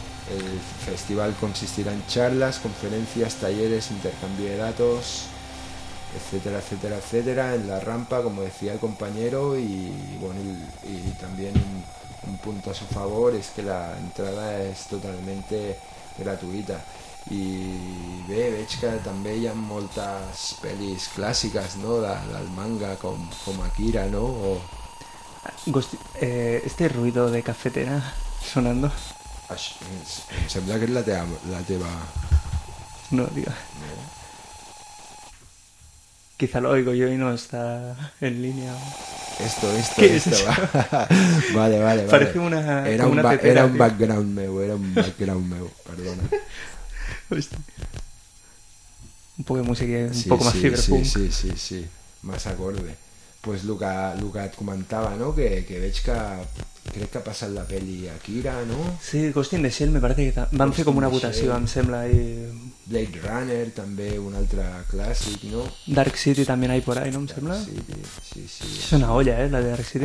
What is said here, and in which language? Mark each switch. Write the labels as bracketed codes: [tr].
[es] El festival consistirá en charlas, conferencias, talleres, intercambio de datos, etcétera, etcétera, etcétera, en la rampa, como decía el compañero, y también un punto a su favor es que la entrada es totalmente gratuita. [ca] I bé, veig que també hi ha moltes pel·lis clàssiques, no? Del manga, com Akira, no? O... [es] Este ruido de cafetera sonando... [ca] Em sembla que és la teva... No, diga. No. [es] Quizá lo oigo yo y no está en línea. Esto. Es vale. Parece una... [ca] Era un background meu, perdona. [es] Un poco de música, un poco más cyberpunk. Sí, más acorde. [ca] Pues Luca et comentava, ¿no? Que veig que crec que ha passat la peli Akira, ¿no? Sí, Ghost in the Shell, [es] me parece que [ca] van fer com una votació, em sembla. I... Blade Runner, també un altre clàssic, ¿no? Dark City també hi ha per ahí, ¿no? Em sembla. Sí. És una olla, la de Dark City,